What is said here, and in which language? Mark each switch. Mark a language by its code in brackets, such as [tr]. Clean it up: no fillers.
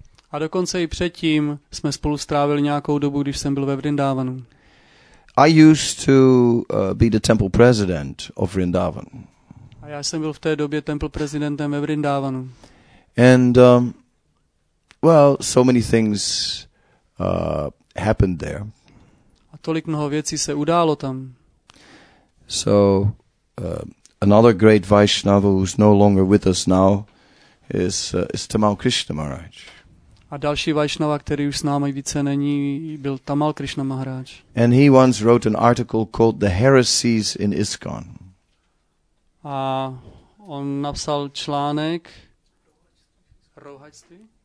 [cs] A dokonce i předtím jsme spolu strávili nějakou dobu, když jsem byl ve Vrindavanu. [en] I used to be the temple president of Vrindavan. [cs] A já jsem byl v té době temple prezidentem ve Vrindavanu. [en] And well, so many things happened there. [cs] A tolik mnoho věcí se událo tam. [en] So another great Vaishnava who's no longer with us now is Tamal Krishna Maharaj. [cs] A další Vaishnava, který už s námi více není, byl Tamal Krishna Maharaj. [en] And he once wrote an article called The Heresies in ISKCON. [cs] A on napsal článek Rouhačství?